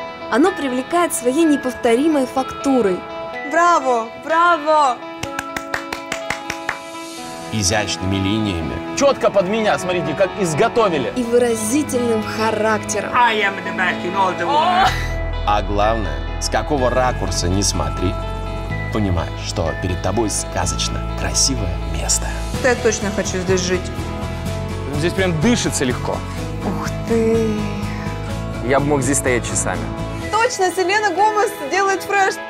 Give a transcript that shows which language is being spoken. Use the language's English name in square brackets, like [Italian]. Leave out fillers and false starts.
[Russian] Оно привлекает своей неповторимой фактурой. Браво! Браво! Изящными линиями. Четко под меня, смотрите, как изготовили. И выразительным характером. [English] I am the best in all the world. [Russian] А главное, с какого ракурса не смотри, понимай, что перед тобой сказочно красивое место. Я точно хочу здесь жить. Здесь прям дышится легко. Ух ты! Я бы мог здесь стоять часами. Точно, Селена Гомес делает фреш.